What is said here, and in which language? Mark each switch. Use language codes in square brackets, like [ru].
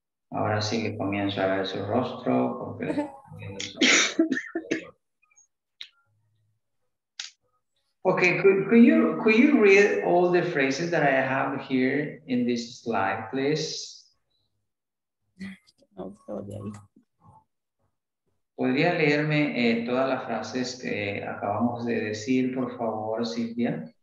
[es] Ahora sí que comienzo a ver su rostro. Porque... [en] Okay, could you read all the phrases that I have here in this slide, please? [es] No, no, de ahí. ¿Podría leerme todas las frases que acabamos de decir, por favor, Silvia?